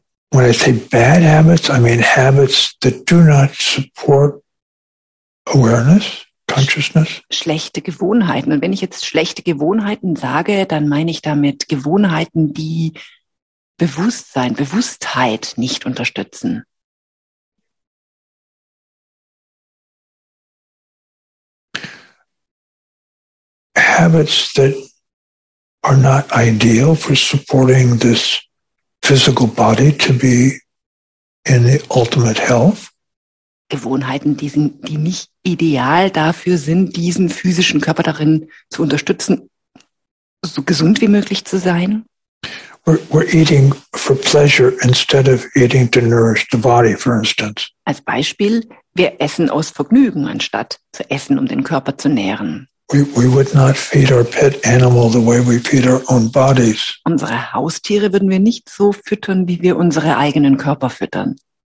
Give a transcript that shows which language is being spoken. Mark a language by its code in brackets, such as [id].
[en] When I say bad habits, I mean habits that do not support awareness, consciousness. [de] Schlechte Gewohnheiten. Und wenn ich jetzt schlechte Gewohnheiten sage, dann meine ich damit Gewohnheiten, die Bewusstsein, Bewusstheit nicht unterstützen. [en] Habits that are not ideal for supporting this physical body to be in the ultimate health. [de] Gewohnheiten, die nicht ideal dafür sind, diesen physischen Körper darin zu unterstützen, so gesund wie möglich zu sein. [en] We're eating for pleasure instead of eating to nourish the body, for instance. [de] Als Beispiel, wir essen aus Vergnügen, anstatt zu essen, um den Körper zu nähren. [en] We would not feed our pet animal the way we feed our own bodies. [de] Unsere Haustiere würden wir nicht so füttern, wie wir unsere eigenen Körper füttern.